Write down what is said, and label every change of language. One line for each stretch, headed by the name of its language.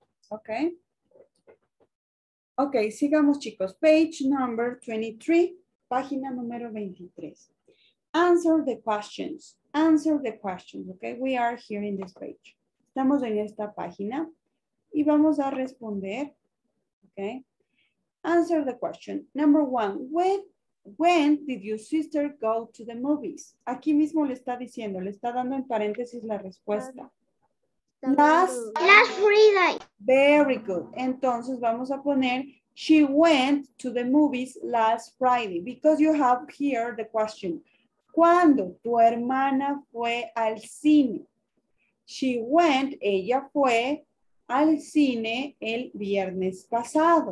Spanish: Okay. Okay, sigamos chicos.
English: Page number 23,
Spanish: página número 23.
English: Answer the questions. Answer the questions, okay? We are here in this page.
Spanish: Estamos en esta página y vamos a responder, okay?
English: Answer the question. Number one, when did your sister go to the movies?
Spanish: Aquí mismo le está diciendo, le está dando en paréntesis la respuesta.
English: Last Friday. Very good.
Spanish: Entonces vamos a poner
English: she went to the movies last Friday because you have here the question.
Spanish: ¿Cuándo tu hermana fue al cine?
English: She went,
Spanish: ella fue al cine el viernes pasado.